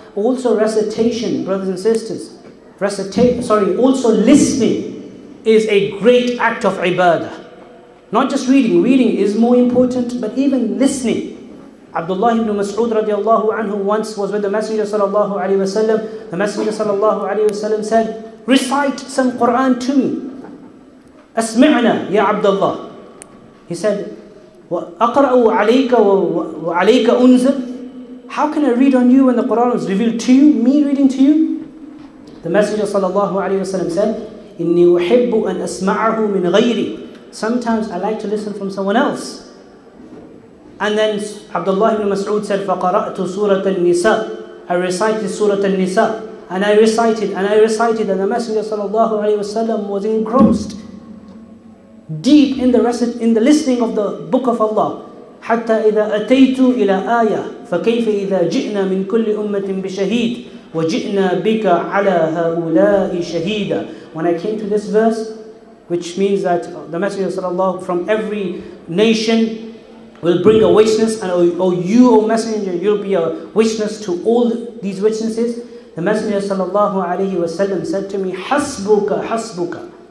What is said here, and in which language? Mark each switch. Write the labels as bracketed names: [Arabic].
[English] Also recitation, brothers and sisters. Also listening is a great act of ibadah. Not just reading. Reading is more important, but even listening. Abdullah ibn Mas'ud radiallahu anhu once was with the Messenger sallallahu alayhi wasallam. The Messenger sallallahu alayhi wasallam said, recite some Quran to me. [Arabic] Asmi'na ya Abdullah. He said, وَأَقْرَأُ عَلَيْكَ وَعَلَيْكَ أُنزِلْ [English] How can I read on you when the Quran was revealed to you, me reading to you? The Messenger sallallahu alayhi wasallam said, [Arabic] إني أحب أن أسمعه من غيري. [English] Sometimes I like to listen from someone else. And then Abdullah ibn Mas'ud said, [Arabic] فقرأت سورة النساء. [English] I recited سورة النساء. And I recited, and I recited, and the Messenger sallallahu alayhi wasallam was engrossed deep in the rest, in the listening of the book of Allah. [Arabic] حتى إذا أتيت إلى آية فكيف إذا جئنا من كل أمة بشهيد وجئنا بك على هؤلاء شهيدا. [English] When I came to this verse, which means that the Messenger sallallahu from every nation will bring a witness, and O Messenger, you'll be a witness to all these witnesses. The Messenger sallallahu alayhi wasallam said to me, [Arabic] حسبك حسبك.